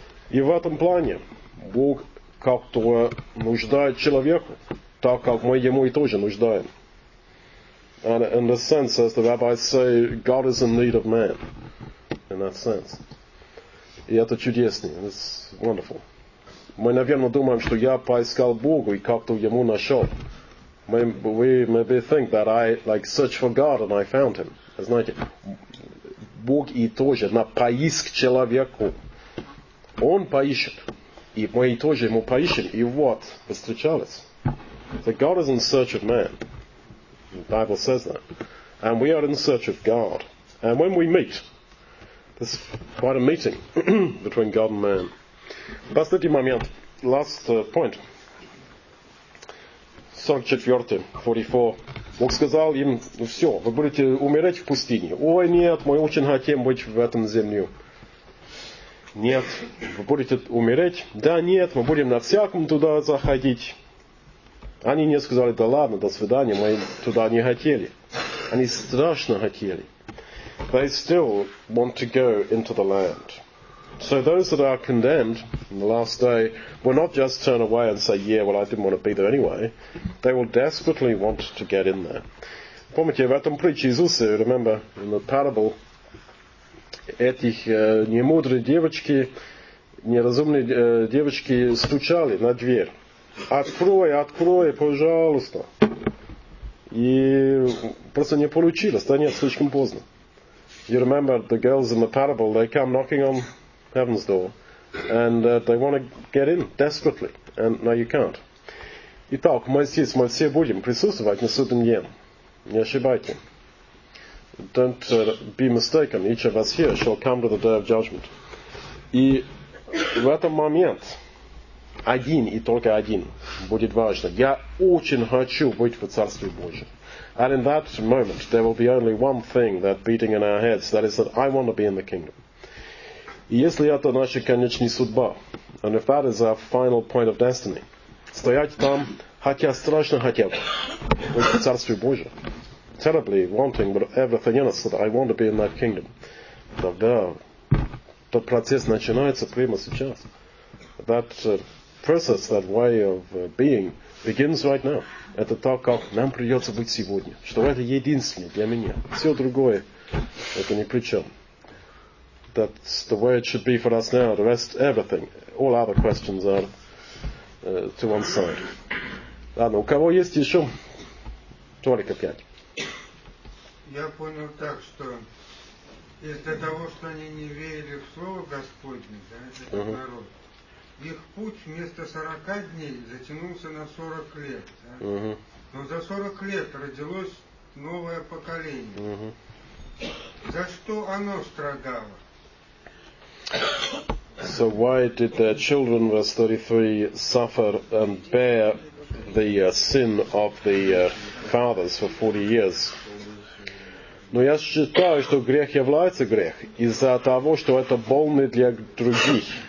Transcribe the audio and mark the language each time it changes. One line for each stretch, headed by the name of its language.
Russian: И в этом плане Бог как-то нуждает человеку, так как мы ему и тоже нуждаем.
English: And in this sense, as the rabbis say, God is in need of man, in that sense.
Russian: И это чудесно.
English: It's wonderful.
Russian: Мы, наверное, думаем, что я поискал Бога и как-то ему нашел.
English: We maybe think that I like search for God and I found him.
Russian: Знаете, Бог и тоже на поиск человеку. Он поищет. И мы и тоже ему поищем. И вот, встречались.
English: So God is in search of man. The Bible says that. And we are in search of God. And when we meet, it's quite a meeting between God and man.
Russian: Последний момент.
English: Last point. 44, 44.
Russian: Бог сказал им, ну все, вы будете умереть в пустыне. Ой, нет, мы очень хотим быть в этом земле. Нет, вы будете умереть. Да нет, мы будем на всяком туда заходить. Они не сказали, да ладно, до свидания, мы туда не хотели. Они страшно хотели.
English: They still want to go into the land. So those that are condemned in the last day will not just turn away and say, yeah, well, I didn't want to be there anyway. They will desperately want to get in there.
Russian: Помните, в этом притче Иисуса,
English: remember, in the parable,
Russian: этих немудрые девочки, неразумные девочки стучали на дверь. Открой, открой, пожалуйста. И просто не получилось, да нет, слишком поздно.
English: You remember the girls in the parable, they come knocking on heaven's door and they want to get in desperately. And no, you can't.
Russian: Итак, мы здесь, мы все будем присутствовать на судный день. Не ошибайте.
English: Don't be mistaken. Each of us here shall come to the day of judgment.
Russian: И в этот момент один и только один будет важно. Я очень хочу быть в Царстве Божьем.
English: And in that moment, there will be only one thing that beating in our heads, that is that I want to be in the kingdom.
Russian: И если это наша конечная судьба,
English: and if that is our final point of destiny,
Russian: стоять там, хотя страшно хотя бы, в Царстве Божьем,
English: terribly wanting, but everything in us, that I want to be in that kingdom,
Russian: тогда тот процесс начинается прямо сейчас.
English: That process, that way of being, begins right now.
Russian: Это так, как нам придется быть сегодня. Что это единственное для меня. Все другое, это ни при чем.
English: That's the way it should be for us now. The rest, everything. All other questions are to one side.
Russian: Ладно, у кого есть еще? Только пять. Я понял так, что из-за того, что они не верили в Слово Господне, да, это народ, их путь вместо 40 дней затянулся на 40 лет. Да? Uh-huh. Но за 40 лет родилось новое поколение. Uh-huh. За что оно страдало?
English: So why did their children, verse 33, suffer and bear the sin of the fathers for 40 years?
Russian: Но я считаю, что грех является грех из-за того, что это больно для других.